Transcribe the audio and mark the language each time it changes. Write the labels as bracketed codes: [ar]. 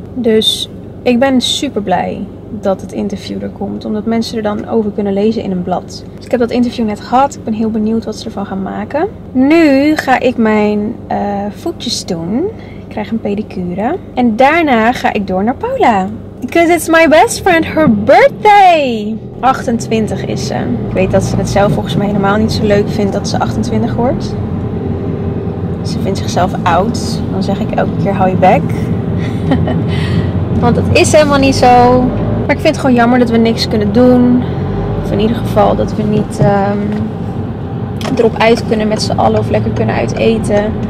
[nl] Dus ik ben super blij dat het interview er komt, omdat mensen er dan over kunnen lezen in een blad. Dus ik heb dat interview net gehad, ik ben heel benieuwd wat ze ervan gaan maken. Nu ga ik mijn voetjes doen, ik krijg een pedicure en daarna ga ik door naar Paula. [en] Because it's my best friend, her birthday! [nl] 28 is ze. Ik weet dat ze het zelf volgens mij helemaal niet zo leuk vindt dat ze 28 wordt. Ze vindt zichzelf oud. Dan zeg ik elke keer hou je bek. Want dat is helemaal niet zo. Maar ik vind het gewoon jammer dat we niks kunnen doen. Of in ieder geval dat we niet erop uit kunnen met z'n allen of lekker kunnen uit eten.